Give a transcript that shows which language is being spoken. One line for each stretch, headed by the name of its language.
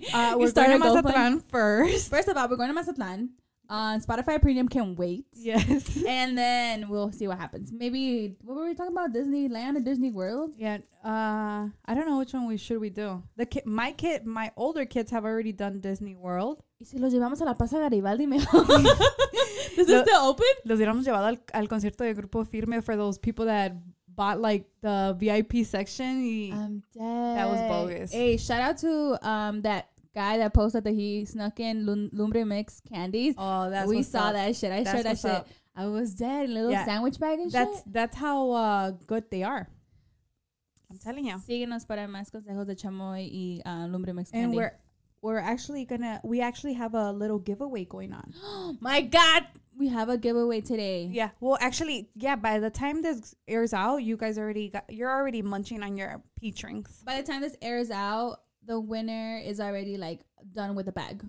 English: We're start going to Mazatlan first. First of all, we're going to Mazatlan. Spotify Premium can wait. Yes. And then we'll see what happens. Maybe, what were we talking about? Disneyland or Disney World? Yeah. I don't know which one we should do. My older kids have already done Disney World.
Spanish: ¿Y si los llevamos a la Plaza Garibaldi mejor?
English: Is this still open?
Spanish: Los hubiéramos llevado al concierto de Grupo Firme
English: for those people that... bought like the VIP section. I'm dead. That was bogus. Hey, shout out to that guy that posted that he snuck in Lumbre Mix candies. Oh, that's we saw up. That shit. I shared that shit. Up. I was dead. Little yeah. Sandwich bag and that's, shit. That's how good they are. I'm telling you.
Spanish: Síguenos para más consejos de Chamoy y Lumbre Mix candy.
English: And we actually have a little giveaway going on. My God. We have a giveaway today. Yeah. Well, actually, yeah, by the time this airs out, you guys already you're already munching on your peach rings. By the time this airs out, the winner is already, like, done with the bag.